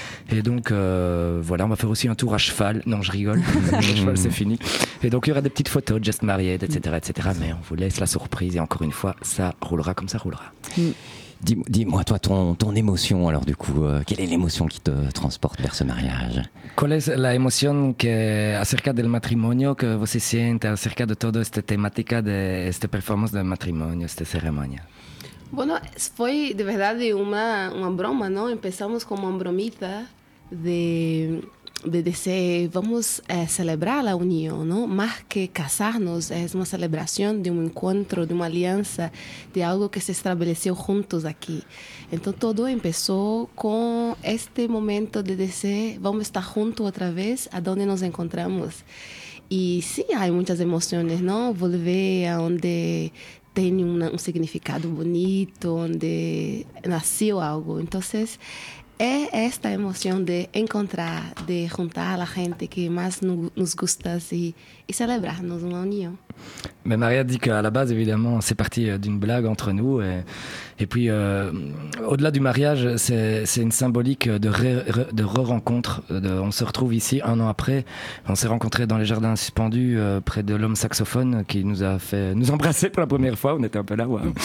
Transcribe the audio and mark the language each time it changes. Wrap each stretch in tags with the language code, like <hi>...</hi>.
<fr>Et donc, voilà, on va faire aussi un tour à cheval. Non, je rigole, à cheval, c'est fini. Et donc, il y aura des petites photos,</fr> <en>just married,</en> <fr>etc., etc. Mais on vous laisse la surprise. Et encore une fois, ça roulera comme ça roulera. Dis-moi, toi, ton émotion, alors, du coup, quelle est l'émotion qui te transporte vers ce mariage?</fr> <es>¿Cuál es la emoción que acerca del matrimonio que vos se siente acerca de toda esta temática de esta performance de matrimonio, esta ceremonia? Bueno, fue de verdad una broma, ¿no? Empezamos como una bromita de decir, vamos a celebrar la unión, ¿no? Más que casarnos, es una celebración de un encuentro, de una alianza, de algo que se estableció juntos aquí. Entonces todo empezó con este momento de decir, vamos a estar juntos otra vez a donde nos encontramos. Y sí, hay muchas emociones, ¿no? Volver a donde... tiene un significado bonito, donde nació algo. Entonces, es esta emoción de encontrar, de juntar a la gente que más nos gusta y celebrarnos una unión.</es> <fr>Mais Maria dit qu'à la base, évidemment, c'est parti d'une blague entre nous. Et puis, au-delà du mariage, c'est une symbolique de re-rencontre. On se retrouve ici un an après. On s'est rencontrés dans les jardins suspendus près de l'homme saxophone qui nous a fait nous embrasser pour la première fois. On était un peu là. Ouais.</fr>